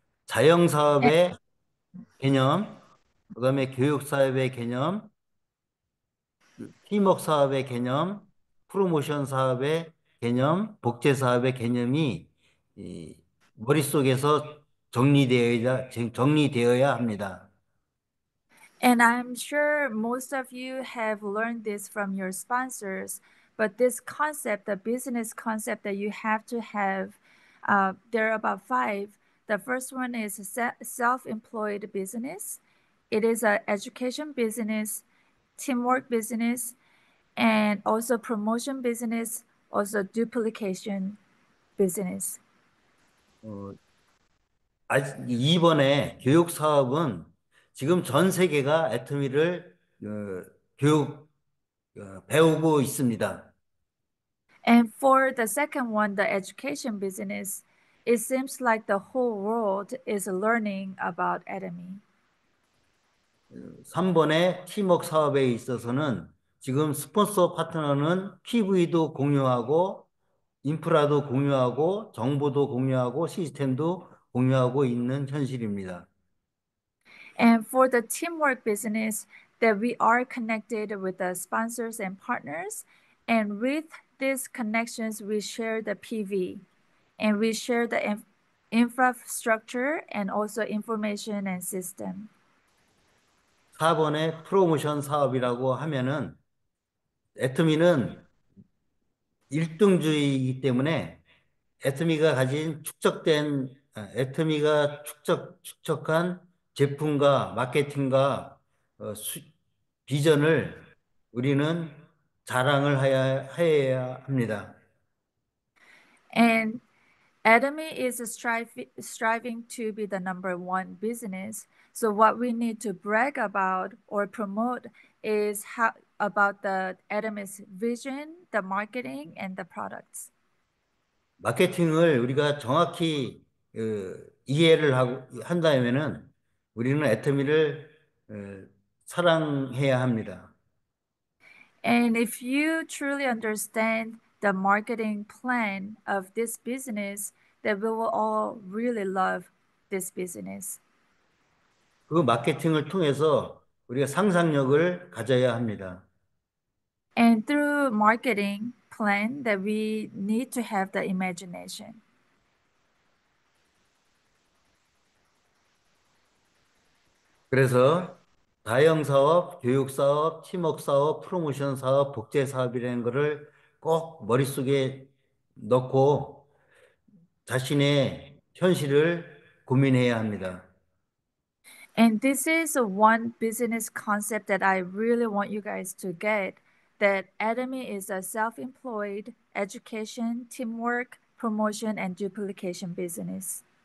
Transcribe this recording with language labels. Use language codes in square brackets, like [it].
[ko] 자영 사업의 개념, 그다음에 교육 사업의 개념, 팀워크 사업의 개념, 프로모션 사업의 개념, 복제 사업의 개념이 머릿속에서 정리되어야 합니다. [en] And I'm sure most of you have learned this from your sponsors, but this concept, the business concept that you have to have, there are about five. The first one is self-employed business. It is an education business, teamwork business, and also promotion business, also duplication business. [ko] 이번에 교육 사업은 지금 전 세계가 애터미를 배우고 있습니다. [en] And for the second one, the education business, it seems like the whole world is learning about Atomy. [ko] 3번의 팀워크 사업에 있어서는 지금 스폰서 파트너는 PV도 공유하고, 인프라도 공유하고, 정보도 공유하고, 시스템도 공유하고 있는 현실입니다. [en] And for the teamwork business, that we are connected with the sponsors and partners, and with these connections, we share the PV and we share the infrastructure and also information and system. [ko] 4번의 프로모션 사업이라고 하면은 애터미는 1등주의이기 때문에 애터미가 축적한 제품과 마케팅과 비전을 우리는 자랑을 해야 합니다. [en] And Atomy is striving to be the number one business. So what we need to brag about or promote is how about the Atomy's vision, the marketing, and the products. [ko] 마케팅을 우리가 정확히 이해를 하고 한다면은 우리는 애터미를 사랑해야 합니다. [en] And if you truly understand the marketing plan of this business, that we will all really love this business. [ko] 그 마케팅을 통해서 우리가 상상력을 가져야 합니다. [en] And through marketing plan, that we need to have the imagination. [ko] 그래서 다형 사업, 교육 사업, 팀워크 사업, 프로모션 사업, 복제 사업이라는 것을 꼭 머릿속에 넣고 자신의 현실을 고민해야 합니다. [en] And this is one business concept that I really want you guys to get, that Atomy is a self-employed education, teamwork, promotion, and duplication business.